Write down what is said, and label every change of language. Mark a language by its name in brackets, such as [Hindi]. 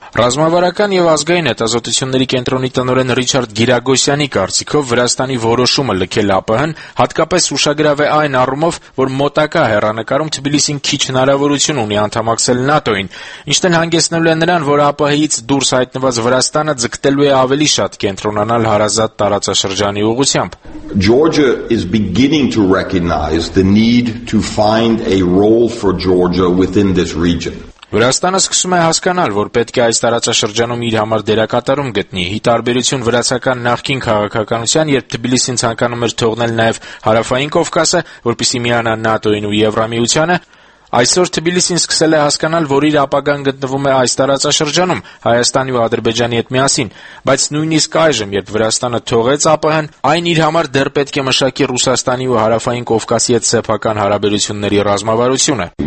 [Armenian] Ռազմավարական և ազգային հետազոտությունների կենտրոնի տնօրեն Ռիչարդ Գիրագոսյանի կարծիքով Վրաստանի որոշումը լքել ԱՊՀ-ն հատկապես ուշագրավ է այն առումով, որ մոտակա հեռանկարում Թբիլիսին քիչ հնարավորություն ունի անդամակցել ՆԱՏՕ-ին, ինչն էլ հանգեցնելու է նրան, որ ԱՊՀ-ից դուրս հայտնված Վրաստանը ձգտելու է ավելի շատ կենտրոնանալ հարազատ տարածաշրջանի ուղղությամբ։ [English] Georgia is beginning to recognize the need to find a role for Georgia within this region. [Armenian] Վրաստանը սկսում է հասկանալ, որ պետք է այս տարածաշրջանում իր համար դերակատարում գտնի, ի տարբերություն վրացական նախկին քաղաքականության, երբ Թբիլիսին ցանկանում էր թողնել նաև հարավային Կովկասը, որպեսզի միանա ՆԱՏՕ-ին ու Եվրամիությանը, այսօր Թբիլիսին սկսել է հասկանալ, որ իր ապագան գտնվում է այս տարածաշրջանում, Հայաստանի ու Ադրբեջանի հետ միասին, բայց նույնիսկ այժմ, երբ Վրաստանը թողեց ԱՊՀ-ն, այն իր համար դեռ պետք է մշակի Ռուսաստանի ու Հարավային Կովկասի հետ սեփական հարաբերությունների